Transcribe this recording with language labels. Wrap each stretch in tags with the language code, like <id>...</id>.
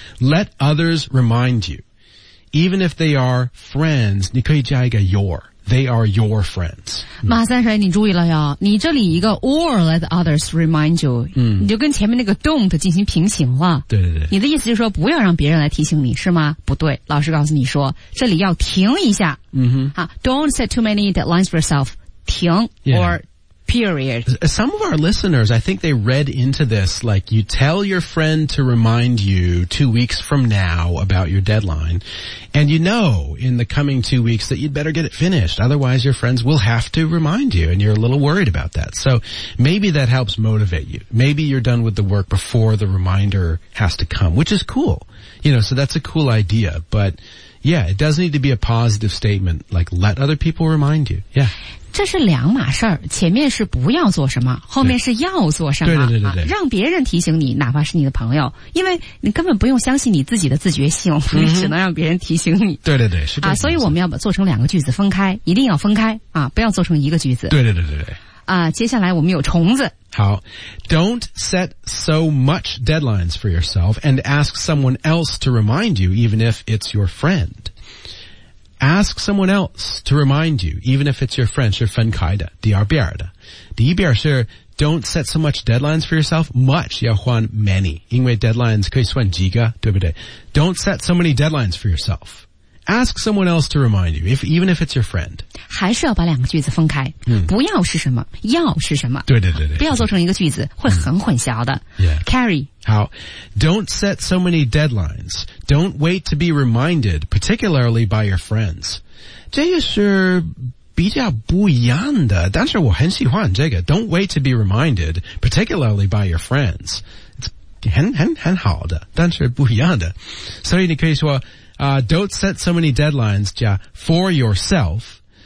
<en>Let others remind you. Even if they are friends,</en> <zh>你可以加一个</zh> <en>your. They are your friends.</en> <zh>马三水你注意了呀。你这里一个</zh> <en>or let others remind you,、</en> <zh>你就跟前面那个 don't 进行平行了。对对对。你的意思就是说不要让别人来提醒你是吗？不对。老师告诉你说这里要停一下。 Mm-hmm.</zh> <en>好 don't set too many deadlines for yourself.</en> <zh>停、</zh> <en>yeah. or period. Some of our listeners, I think they read into this, like you tell your friend to remind you 2 weeks from now about your deadline. And you know in the coming 2 weeks that you'd better get it finished. Otherwise your friends will have to remind you and you're a little worried about that. So maybe that helps motivate you. Maybe you're done with the work before the reminder has to come, which is cool. You know, so that's a cool idea, but... Yeah, it does need to be a positive statement, like let other people remind you. Yeah.</en> <zh>这是两码事儿，前面是不要做什么，后面是要做什么。对对对 对, 对、啊。让别人提醒你，哪怕是你的朋友，因为你根本不用相信你自己的自觉性，你只能让别人提醒你。对对对，是这样。啊，所以我们要把做成两个句子分开，一定要分开啊，不要做成一个句子。对对对对对。啊，接下来我们有虫子。</zh> <en>好 ，Don't set so much deadlines for yourself and ask someone else to remind you, even if it's your friend. Ask someone else to remind you, even if it's your friend.</en> <zh>是分开的，第二边的，第一边是</zh> <en>Don't set so much deadlines for yourself. Much</en> <zh>要换</zh> <en>many， 因为 deadlines</en> <zh>可以算几个，对不对</zh> <en>？Don't set so many deadlines for yourself. Ask someone else to remind you, even if it's your friend.</en> <zh>还是要把两个句子分开、不要是什么要是什么对对对对不要做成一个句子会很混淆的、</zh> <en>yeah. Carrie 好 Don't set so many deadlines. Don't wait to be reminded, particularly by your friends.</en> <zh>这个是比较不一样的但是我很喜欢这个</zh> <en>Don't wait to be reminded, particularly by your friends.</en> <zh>很好的但是不一样的所以你可以说</zh> <en>don't set so many deadlines, yeah, for yourself.</en>